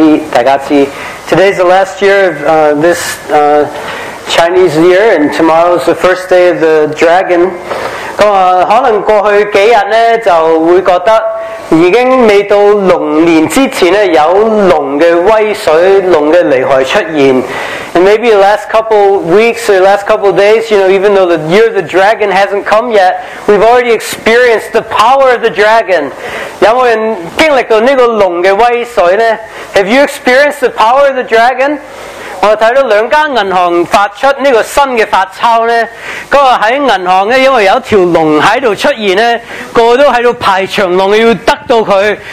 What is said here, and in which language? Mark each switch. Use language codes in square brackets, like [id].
[en] Today's the last year of this Chinese year, and tomorrow's the first day of the dragon. [yue] 咁啊，可能过去几日咧，就会觉得已经未到龙年之前咧，有龙嘅威水、龙嘅厉害出现。 [en] And maybe the last couple weeks or the last couple days, you know, even though the year of the dragon hasn't come yet, we've already experienced the power of the dragon. [yue] 有冇人经历到呢个龙嘅威水咧？ [en] Have you experienced the power of the dragon? [yue] 我睇到两间银行发出呢个新嘅发钞咧，嗰个喺银行咧，因为有一条龙喺度出现咧，个个都喺度排长龙要得到佢。